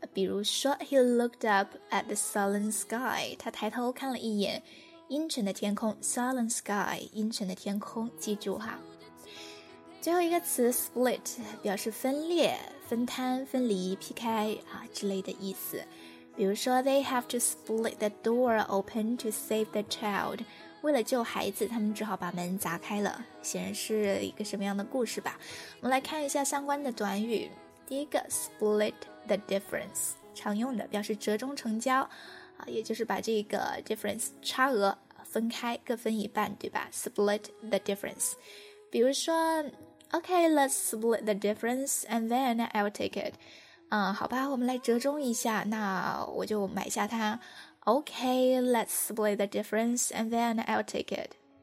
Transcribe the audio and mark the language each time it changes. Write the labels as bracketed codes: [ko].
[zh] 比如说 , [en] he looked up at the sullen sky, [zh] 他抬头看了一眼阴沉的天空 ,sullen sky, 阴沉的天空，记住哈。最后一个词 split, 表示分裂、分摊、分离、劈开啊之类的意思。比如说 [en] ,they have to split the door open to save the child. [zh] 为了救孩子他们只好把门砸开了，显然是一个什么样的故事吧。我们来看一下相关的短语。第一个 ,split the difference, 常用的表示折中成交。也就是把这个 difference 差额分开，各分一半，对吧？ [en] Split the difference. [zh] 比如说 [en] Okay, let's split the difference and then I'll take it. [zh] 好吧，我们来折中一下，那我就买下它。 [en] Okay, let's split the difference and then I'll take it.